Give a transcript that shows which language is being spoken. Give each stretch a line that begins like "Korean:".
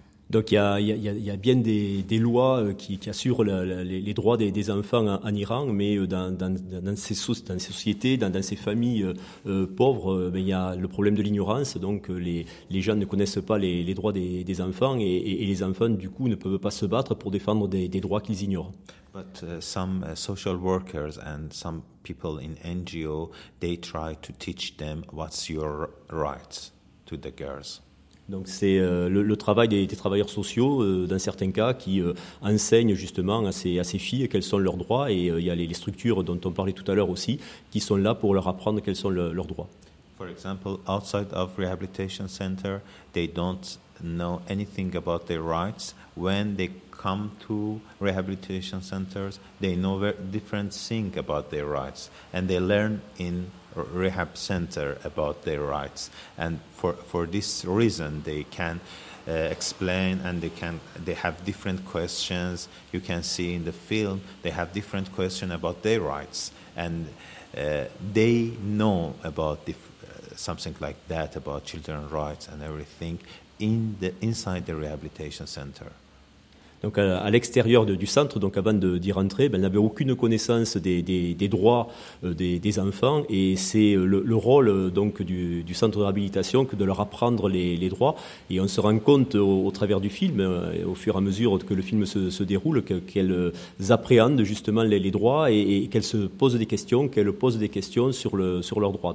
French: donc il y a bien des lois qui assurent les droits des enfants en Iran, mais dans ces sociétés, dans ces familles pauvres, ben il y a le problème de l'ignorance. Donc les gens ne connaissent pas les droits des enfants, et les enfants du coup ne peuvent pas se battre pour défendre des droits qu'ils ignorent.
English: But some social workers and some people in NGO, they try to teach them what's your rights to the girls.
French: Donc c'est le travail des travailleurs sociaux, dans certains cas, qui enseignent justement à ces filles quels sont leurs droits. Et il y a les structures dont on parlait tout à l'heure aussi, qui sont là pour leur apprendre quels sont leurs droits.
English: For example, outside of rehabilitation center, they don't know anything about their rights. When they come to rehabilitation centers, they know very different things about their rights. And they learn in rehab center about their rights, and for this reason they can explain, and they have different questions. You can see in the film they have different questions about their rights, and they know about something like that, about children's rights and everything inside the rehabilitation center.
French: Donc à l'extérieur du centre, donc avant d'y rentrer, elle n'avait aucune connaissance des droits des enfants, et c'est le rôle donc du centre de réhabilitation que de leur apprendre les droits. Et on se rend compte au travers du film, au fur et à mesure que le film se déroule, qu'elles appréhendent justement les droits, et qu'elles posent des questions sur leurs droits.